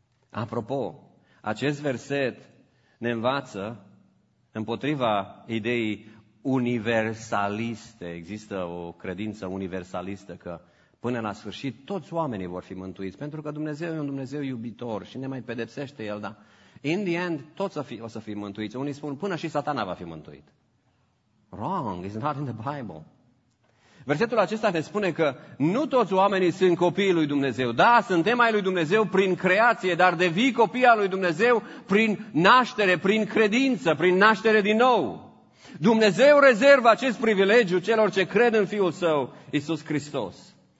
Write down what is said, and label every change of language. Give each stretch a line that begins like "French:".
Romanian: Apropo, acest verset ne învață împotriva ideii universaliste. Există o credință universalistă că până la sfârșit, toți oamenii vor fi mântuiți, pentru că Dumnezeu e un Dumnezeu iubitor și ne mai pedepsește El, dar
English: in the end,
Romanian: toți o să fie mântuiți. Unii spun, până și Satana va fi mântuit.
English: Wrong, it's not in the Bible.
Romanian: Versetul acesta ne spune că nu toți oamenii sunt copiii lui Dumnezeu. Da, suntem ai lui Dumnezeu prin creație, dar devii copii al lui Dumnezeu prin naștere, prin credință, prin naștere din nou. Dumnezeu rezervă acest privilegiu celor ce cred în Fiul Său, Iisus Hristos.